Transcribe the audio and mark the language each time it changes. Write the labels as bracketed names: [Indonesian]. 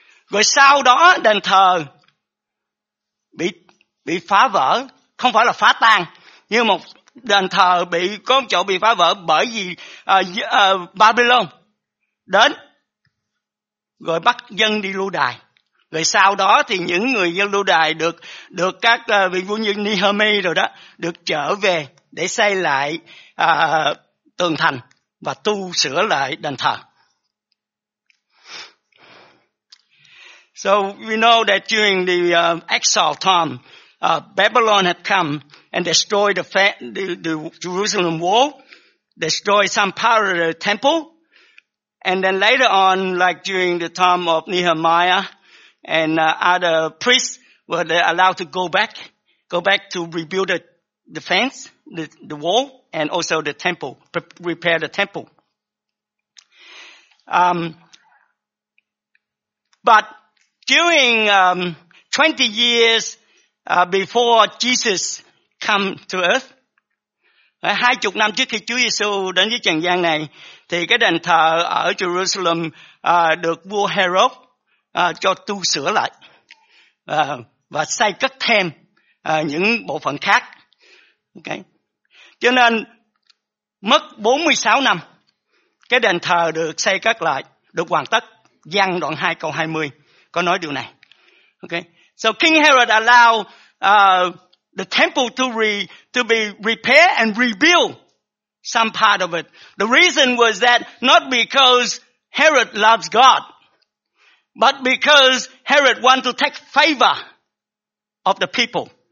[Vietnamese] Rồi sau đó đền thờ bị phá vỡ, không phải là phá tan, nhưng một đền thờ bị có một chỗ bị phá vỡ bởi vì Babylon đến rồi bắt dân đi lưu đày. Rồi sau đó thì những người dân lưu đày được các vị vua như Nehemiah rồi đó được trở về để xây lại tường thành và tu sửa lại đền thờ. [English] So we know that during the exile time, Babylon had come and destroyed the Jerusalem wall, destroyed some part of the temple, and then later on, like during the time of Nehemiah, and other priests were allowed to go back to rebuild the fence, the wall, and also the temple, repair the temple. But during 20 years before Jesus come to earth, [Vietnamese] 20 năm trước khi Chúa Giêsu đến với trần gian này, thì cái đền thờ ở Jerusalem được vua Herod cho tu sửa lại và xây cất thêm những bộ phận khác. Okay. Cho nên mất 46 năm, cái đền thờ được xây cất lại, được hoàn tất. Văn đoạn 2 câu 20 có nói điều này. Okay. [English] So King Herod allowed the temple to be repaired and rebuild some part of it. The reason was that not because Herod loves God, but because Herod want to take favor of the people.